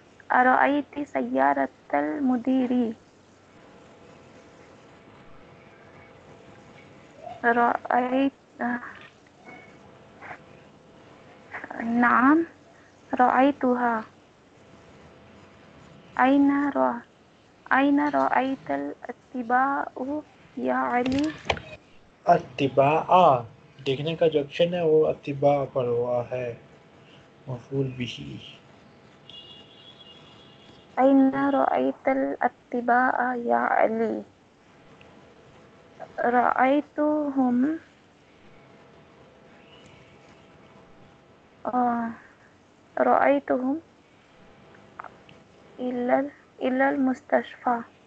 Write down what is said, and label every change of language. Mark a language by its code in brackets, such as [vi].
[ar] أرأيت سيارة المديري رأيت نعم رأيتها أين رأيت الاتباع يا علي؟ [ur] اتباع، دیکھنے کا جو اکشن ہے وہ اتباع پر ہوا ہے مفعول به. [ar] أين رأيت الأتباع يا علي؟ رأيتهم رأيتهم إلى المستشفى.